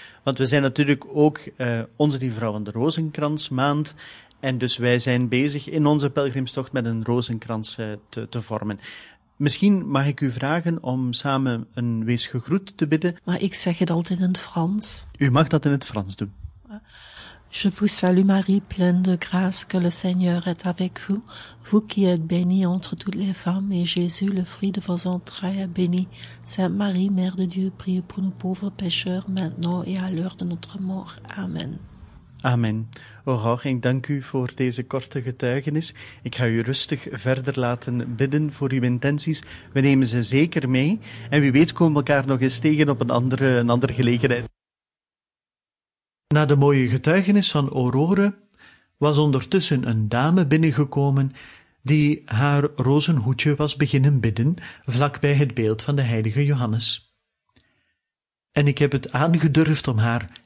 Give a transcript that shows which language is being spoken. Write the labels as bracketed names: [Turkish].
[Dutch] Want we zijn natuurlijk ook Onze Lieve Vrouw van de Rozenkrans maand. En dus wij zijn bezig in onze pelgrimstocht met een rozenkrans te vormen. Misschien mag ik u vragen om samen een wees gegroet te bidden. Maar ik zeg het altijd in het Frans. U mag dat in het Frans doen. [French] Je vous salue Marie, pleine de grâce, que le Seigneur est avec vous. Vous qui êtes bénie entre toutes les femmes, et Jésus, le fruit de vos entrailles, est béni. Sainte Marie, Mère de Dieu, priez pour nous pauvres pécheurs, maintenant et à l'heure de notre mort. Amen. Amen. [Dutch] Aurore, ik dank u voor deze korte getuigenis. Ik ga u rustig verder laten bidden voor uw intenties. We nemen ze zeker mee. En wie weet komen we elkaar nog eens tegen op een andere gelegenheid. Na de mooie getuigenis van Aurore was ondertussen een dame binnengekomen die haar rozenhoedje was beginnen bidden vlakbij het beeld van de heilige Johannes. En ik heb het aangedurfd om haar